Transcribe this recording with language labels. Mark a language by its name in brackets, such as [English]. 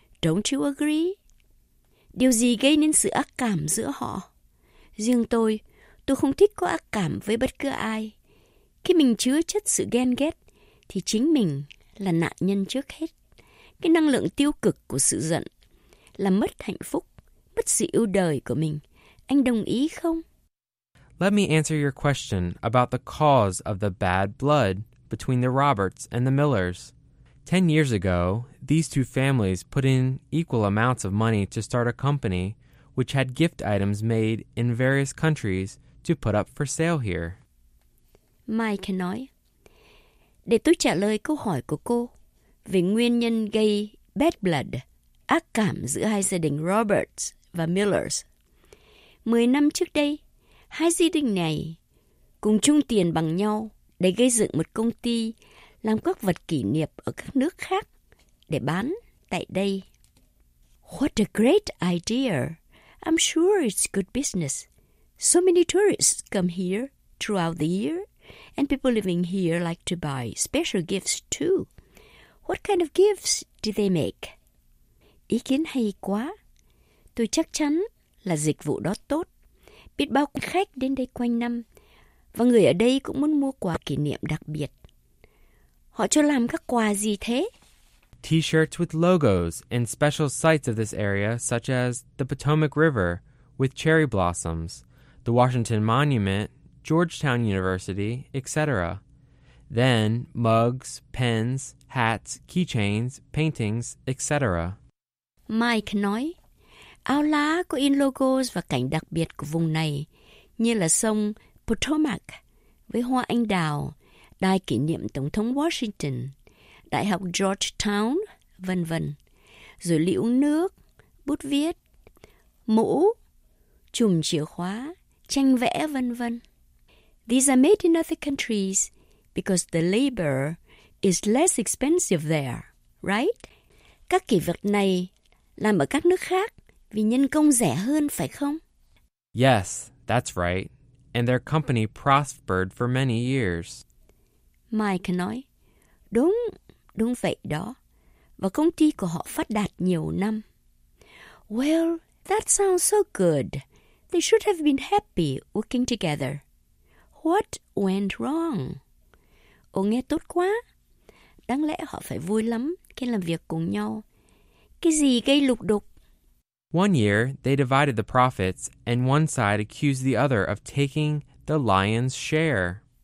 [English] Don't you agree? [Vietnamese] Điều gì gây nên sự ác cảm giữa họ? Riêng tôi không thích có ác cảm với bất cứ ai. Khi mình chứa chất sự ghen ghét, thì chính mình là nạn nhân trước hết. Cái năng lượng tiêu cực của sự giận là mất hạnh phúc, mất sự yêu đời của mình. Anh đồng ý không? [English] Let me answer your question about the cause of the bad blood between the Roberts and the Millers. 10 years ago, these two families put in equal amounts of money to start a company which had gift items made in various countries to put up for sale here. [Vietnamese] Mike nói, để tôi trả lời câu hỏi của cô về nguyên nhân gây bad blood, ác cảm giữa hai gia đình Roberts và Millers. 10 năm trước đây, hai gia đình này cùng chung tiền bằng nhau để gây dựng một công ty làm các vật kỷ niệm ở các nước khác để bán tại đây. [English] What a great idea! I'm sure it's good business. So many tourists come here throughout the year, and people living here like to buy special gifts too. What kind of gifts do they make? [Vietnamese] Ý kiến hay quá. Tôi chắc chắn là dịch vụ đó tốt. Biết bao khách đến đây quanh năm, và người ở đây cũng muốn mua quà kỷ niệm đặc biệt. Họ cho làm các quà gì thế? [English] T-shirts with logos and special sites of this area, such as the Potomac River with cherry blossoms, the Washington Monument, Georgetown University, etc. Then mugs, pens, hats, keychains, paintings, etc. [Vietnamese] Mike nói, áo lá có in logos và cảnh đặc biệt của vùng này, như là sông Potomac với hoa anh đào, đài kỷ niệm Tổng thống Washington, Đại học Georgetown, vân vân. Rồi lũ nước, bút viết, mũ, chùm chìa khóa, tranh vẽ, vân vân. [English] These are made in other countries because the labor is less expensive there, right? [Vietnamese] Các kỷ vật này làm ở các nước khác vì nhân công rẻ hơn, phải không? [English] Yes, that's right. And their company prospered for many years. [Vietnamese] Mike nói, đúng. Đúng vậy đó. Và công ty của họ phát đạt nhiều năm. [English] Well, that sounds so good. They should have been happy working together. What went wrong? [Vietnamese] Ồ, nghe tốt quá. Đáng lẽ họ phải vui lắm khi làm việc cùng nhau. Cái gì gây lục đục? [English] One year, they divided the profits and one side accused the other of taking the lion's share.